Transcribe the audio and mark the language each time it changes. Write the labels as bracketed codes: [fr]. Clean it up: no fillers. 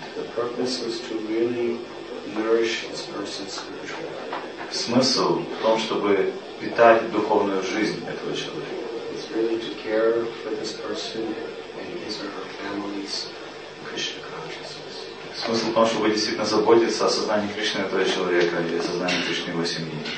[en] The purpose was to really nourish this person's spiritual life. [ru] Смысл в том, чтобы питать духовную жизнь этого человека. [en] It's really to care for this person and his or her family's Krishna consciousness. [ru] Смысл в том, чтобы действительно заботиться о сознании Кришны этого человека или о сознании Кришны его семьи.